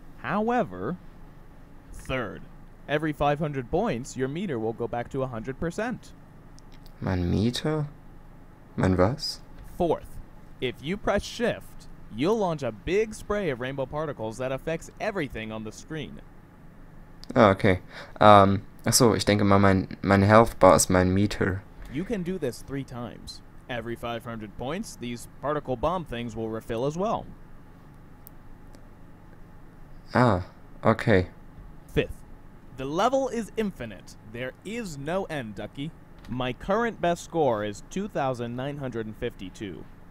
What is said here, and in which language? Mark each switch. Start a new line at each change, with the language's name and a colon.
English: However, third, every 500 points, your meter will go back to 100%.
German: Mein Meter? Mein was?
English: Fourth, if you press shift, you'll launch a big spray of rainbow particles that affects everything on the screen. Oh, okay.
German: Achso, ich denke mal, mein Health Bar ist mein Meter.
English: You can do this 3 times. Every 500 points, these particle bomb things will refill as well. Ah, okay. Fifth, the level is infinite. There is no end, Ducky. My current best score is 2,952.